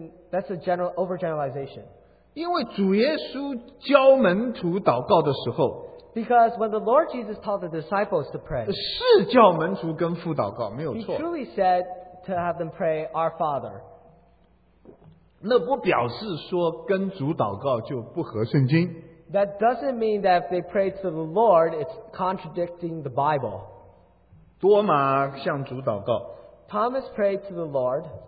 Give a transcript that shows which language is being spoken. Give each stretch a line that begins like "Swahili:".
English: That's a general overgeneralization.
Chinese: 因为主耶稣教门徒祷告的时候,
English: because when the Lord Jesus taught the disciples to pray,
Chinese: 是教门徒跟父祷告, 没有错,
English: he truly said to have them pray our Father.
Chinese: 那不表示说跟主祷告就不合圣经,
English: that doesn't mean that if they pray to the Lord, it's contradicting the Bible.
Chinese: 多马向主祷告,
English: Thomas prayed to the Lord,